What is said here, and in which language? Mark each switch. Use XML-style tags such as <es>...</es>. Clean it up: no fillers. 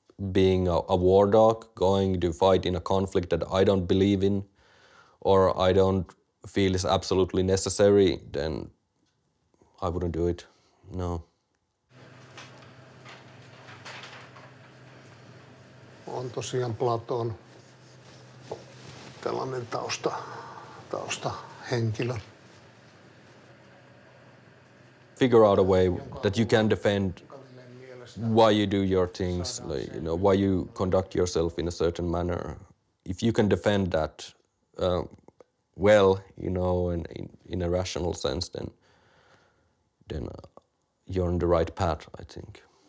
<en>Being a war dog, going to fight in a conflict that I don't believe in or I don't feel is absolutely necessary, then I wouldn't do it, no.</en> <fi>On tosiaan Platon tällainen tausta henkilö.</fi> <en>Figure out a way that you can defend why you do your things, like, you know, why you conduct yourself in a certain manner. If you can defend that well, you know, in a rational sense, then you're on the right path, I think.</en>